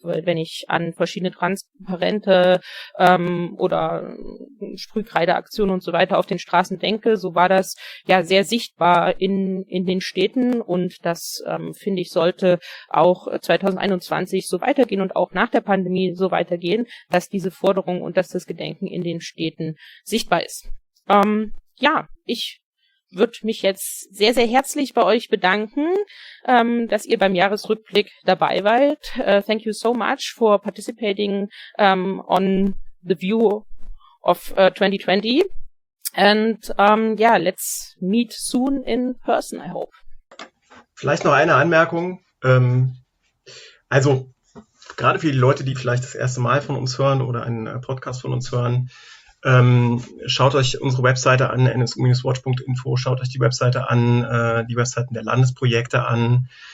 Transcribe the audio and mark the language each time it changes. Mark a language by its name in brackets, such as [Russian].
[German] Wenn ich an verschiedene Transparente oder Sprühkreideaktionen und so weiter auf den Straßen denke, so war das ja sehr sichtbar in den Städten, und das finde ich, sollte auch 2021 so weitergehen und auch nach der Pandemie so weitergehen, dass diese Forderung und dass das Gedenken in den Städten sichtbar ist. Ich würde mich jetzt sehr, sehr herzlich bei euch bedanken, dass ihr beim Jahresrückblick dabei wart. [English] Thank you so much for participating on the view of 2020. And yeah, let's meet soon in person, I hope. [German] Vielleicht noch eine Anmerkung. Also gerade für die Leute, die vielleicht das erste Mal von uns hören oder einen Podcast von uns hören, schaut euch unsere Webseite an, nsu-watch.info, schaut euch die Webseite an, die Webseiten der Landesprojekte an.